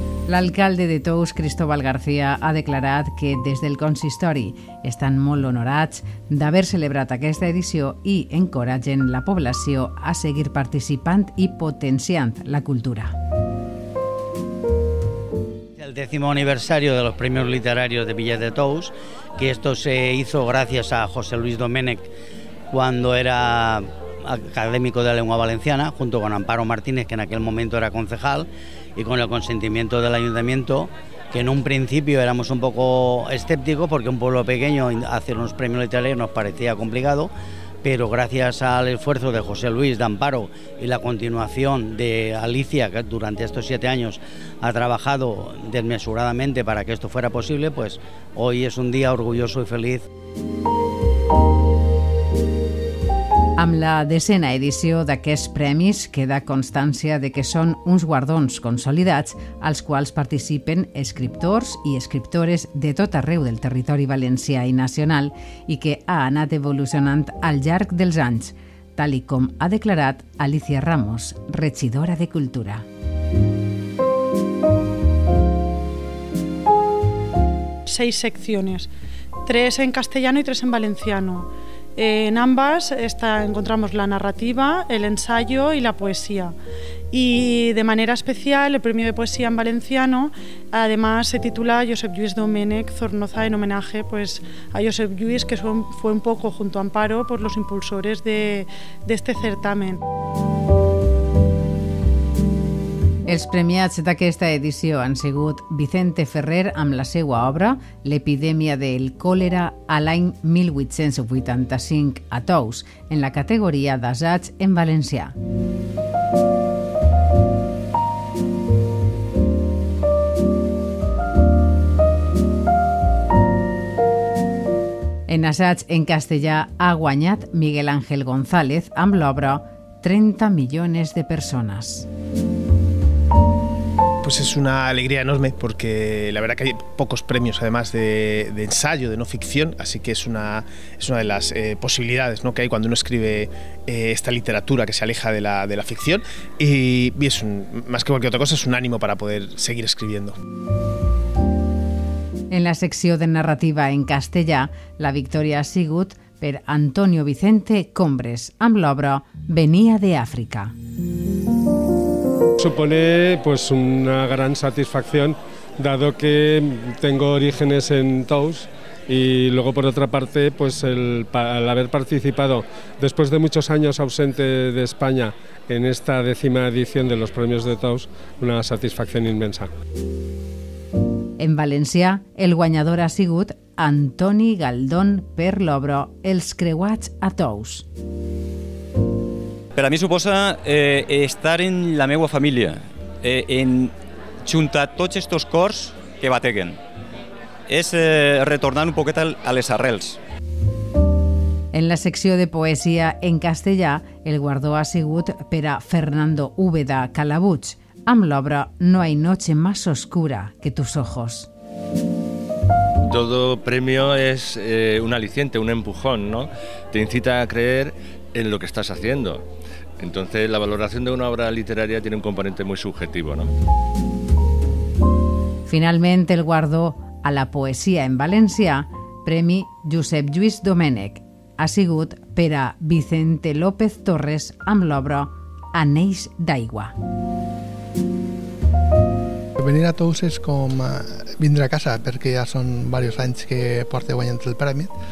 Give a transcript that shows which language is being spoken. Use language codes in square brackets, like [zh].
[ca] L'alcalde de Tous, Cristóbal García, ha declarat que des del consistori estan molt honorats d'haver celebrat aquesta edició i encoratgen la població a seguir participant i potenciant la cultura. [es] El 10º aniversario de los premios literarios de Villa de Tous, que esto se hizo gracias a José Luis Domènech cuando era académico de la lengua valenciana, junto con Amparo Martínez, que en aquel momento era concejal, y con el consentimiento del ayuntamiento, que en un principio éramos un poco escépticos porque un pueblo pequeño hacer unos premios literarios nos parecía complicado, pero gracias al esfuerzo de José Luis, de Amparo, y la continuación de Alicia, que durante estos 7 años ha trabajado desmesuradamente para que esto fuera posible, pues hoy es un día orgulloso y feliz. [ca] Amb la desena edició d'aquests premis queda constància de que són uns guardons consolidats als quals participen escriptors i escriptores de tot arreu del territori valencià i nacional i que ha anat evolucionant al llarg dels anys, tal i com ha declarat Alicia Ramos, regidora de Cultura. [es] Seis secciones, 3 en castellano y 3 en valenciano. En ambas encontramos la narrativa, el ensayo y la poesía. Y de manera especial, el premio de poesía en valenciano, además se titula Josep Lluís Domènech Zornoza, en homenaje pues, a Josep Lluís, que fue un poco junto a Amparo por los impulsores de este certamen. [ca] Els premiats d'aquesta edició han sigut Vicente Ferrer amb la seva obra L'epidèmia del còlera a l'any 1885 a Tous, en la categoria d'assaig en valencià. En assaig en castellà ha guanyat Miguel Ángel González amb l'obra 30 millones de persones. [es] Pues es una alegría enorme porque la verdad que hay pocos premios además de ensayo, de no ficción, así que es una de las posibilidades, ¿no?, que hay cuando uno escribe esta literatura que se aleja de la ficción y es más que cualquier otra cosa, es un ánimo para poder seguir escribiendo. [ca] En la sección de narrativa en castellà, la victoria ha sigut per Antonio Vicente Combres, amb l'obra Venia de África. [es] Supone pues una gran satisfacción, dado que tengo orígenes en Tous y luego por otra parte pues al haber participado después de muchos años ausente de España en esta 10ª edición de los premios de Tous, una satisfacción inmensa. [ca] En valencià, el guanyador ha sigut Antoni Galdón per l'obra Els creuats a Tous. Per a mi suposa estar en la meva família, en juntar tots aquests cors que bateguen. És retornar un poquet a les arrels. En la secció de poesia en castellà, el guardó ha sigut per a Fernando Úbeda Calabuig, amb l'obra No hay noche más oscura que tus ojos. [es] Todo premio es un aliciente, un empujón, ¿no? Te incita a creer en lo que estás haciendo. Entonces, la valoración de una obra literaria tiene un componente muy subjetivo, ¿no? [ca] Finalmente, el guardó a la poesía en valencià, Premi Josep Lluís Domènech, ha sigut per a Vicente López Torres amb l'obra Anells d'aigua. Venir a Tous és com vindre a casa, perquè ja són diversos anys que porto guanyant el premi.